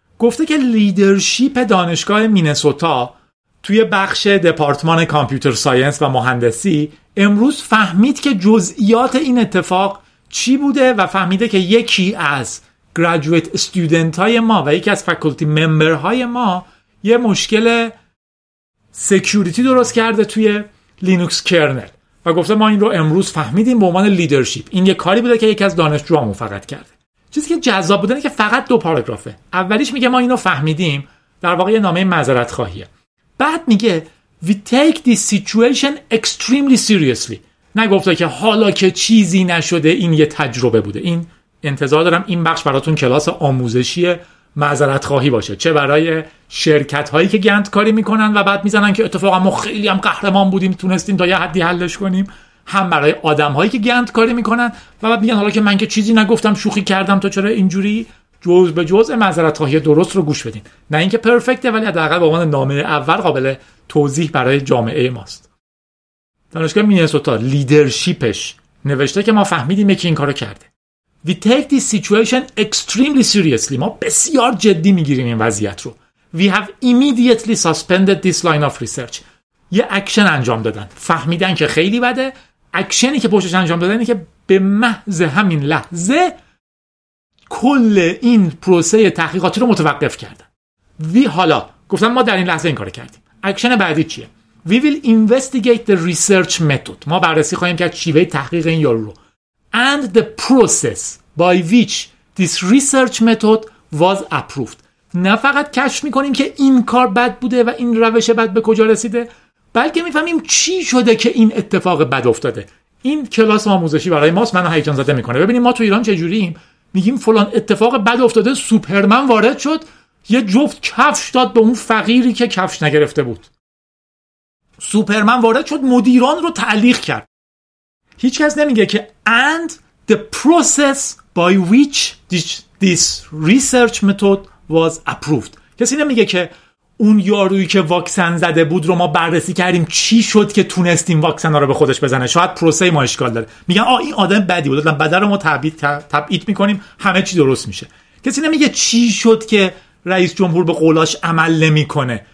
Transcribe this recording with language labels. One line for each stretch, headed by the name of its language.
Persian: گفته که لیدرشیپ دانشگاه مینسوتا توی بخش دپارتمان کامپیوتر ساینس و مهندسی امروز فهمید که جزئیات این اتفاق چی بوده و فهمیده که یکی از گراجویت استودنت های ما و یکی از فکولتی ممبر های ما یه مشکل سکیوریتی درست کرده توی لینوکس کرنل. و گفته ما این رو امروز فهمیدیم به عنوان لیدرشیپ. این یه کاری بوده که یکی از دانشجوهامون فقط کرده. چیزی که جذاب بودنه که فقط دو پاراگرافه. اولیش میگه ما اینو فهمیدیم، در واقع یه نامه معذرت خواهیه. بعد میگه
English: we take this situation extremely seriously.
Persian: نگفته که حالا که چیزی نشده این یه تجربه بوده. این انتظار دارم این بخش براتون کلاس آموزشی معذرت خواهی باشه، چه برای شرکت هایی که گند کاری میکنن و بعد میزنن که اتفاقا ما خیلی هم قهرمان بودیم تونستیم تا یه حدی حلش کنیم، هم برای آدم هایی که گند کاری میکنن و بعد میگن حالا که من که چیزی نگفتم شوخی کردم تو چرا اینجوری. جزء به جزء معذرت خواهی درست رو گوش بدین، نه اینکه پرفکته ولی حداقل به عنوان نامه اول قابل توضیح برای جامعه ماست. دانشگاه مینسوتا لیدرشیپش نوشته که ما فهمیدیم که این کارو کرده.
English: We take this situation extremely seriously.
Persian: ما بسیار جدی میگیریم این وضعیت رو.
English: We have immediately suspended this line of research.
Persian: یه اکشن انجام دادن. فهمیدن که خیلی بده. اکشنی که پشتش انجام دادن اینه که به محض همین لحظه کل این پروسه تحقیقاتی رو متوقف کردن. وی حالا گفتن ما در این لحظه این کارو کردیم. اکشن بعدی چیه؟
English: We will investigate the research method.
Persian: ما بررسی خواهیم کرد شیوه تحقیق این یارو رو.
English: And the process by which this research method was approved.
Persian: نه فقط کشف میکنیم که این کار بد بوده و این روش بد به کجا رسیده، بلکه میفهمیم چی شده که این اتفاق بد افتاده. این کلاس آموزشی برای ماست، منو هیجان زده میکنه. ببینیم ما تو ایران چجوریم، میگیم فلان اتفاق بد افتاده، سوپرمن وارد شد یه جفت کفش داد به اون فقیری که کفش نگرفته بود، سوپرمن وارد شد مدیران رو تعلیق کرد. هیچ کس نمیگه که
English: and the process by which this research method was approved.
Persian: کسی نمیگه که اون یارویی که واکسن زده بود رو ما بررسی کردیم چی شد که تونستیم واکسن رو به خودش بزنه، شاید پروسه ما اشکال داره. میگن آه این آدم بدی بود، بده رو ما تبعید میکنیم همه چی درست میشه. کسی نمیگه چی شد که رئیس جمهور به قولاش عمل نمی کنه.